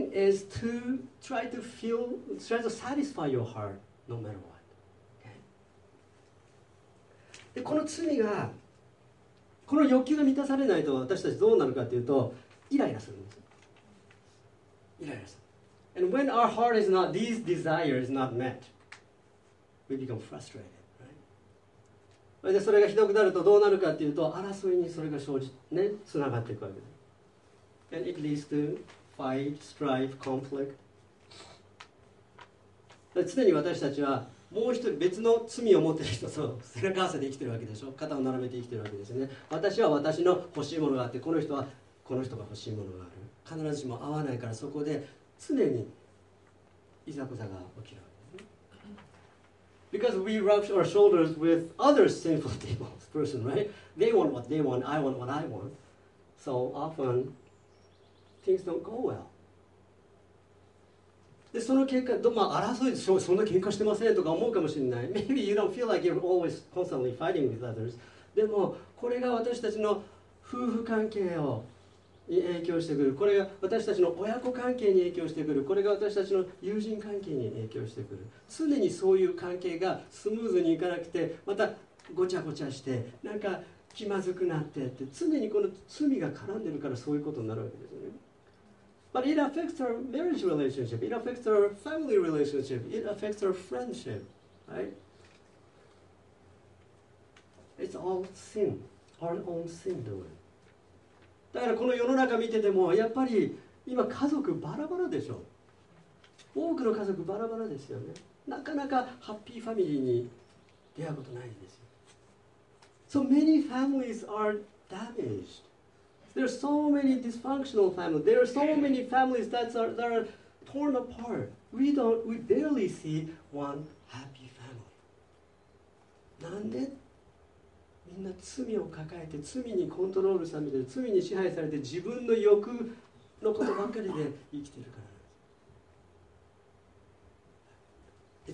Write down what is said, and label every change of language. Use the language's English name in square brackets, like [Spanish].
[English] So sin is to try to feel, try to satisfy your heart no matter what、okay? [Japanese] でこの罪が、この欲求が満たされないと私たちどうなるかというと、イライラするんです。イライラする。 [English] And when our heart is not, these desires is not met, we become frustrated、right? [Japanese] でそれがひどくなるとどうなるかっていうと、争いにそれが生じ、ね、つながっていくわけです。 [English] And it leads to fight, strife, conflict. [Japanese] 常に私たちはもう一人別の罪を持っている人と背中合わせで生きているわけでしょ。肩を並べて生きているわけですよね。私は私の欲しいものがあって、この人はこの人が欲しいものがある。必ずしも合わないから、そこで常にいざこざが起きる。 [English] Because we rub our shoulders with other sinful people's person, right? They want what they want, I want what I want. So often, things don't go well. [Japanese] で、その喧嘩、まあ、争いでしょ、そんな喧嘩してませんとか思うかもしれない。 [English] Maybe you don't feel like you're always constantly fighting with others. [Japanese] でも、これが私たちの夫婦関係を、に影響してくる。これが私たちの親子関係に影響してくる。これが私たちの友人関係に影響してくる。常にそういう関係がスムーズにいかなくて、またごちゃごちゃして、なんか気まずくなってって、常にこの罪が絡んでるからそういうことになるわけですね。 [English] But it affects our marriage relationship. It affects our family relationship. It affects our friendship. Right? It's all sin. Our own sin doing. [Japanese] だからこの世の中見てても、やっぱり今家族バラバラでしょ。多くの家族バラバラですよね。なかなかハッピーファミリーに出会うことないんですよ。 [English] So many families are damaged There are so many dysfunctional families. There are so many families that are torn apart. We barely see one happy family. [Japanese] なんでみんな罪を抱えて罪にコントロールされて罪に支配されて自分の欲のことばかりで生きているから。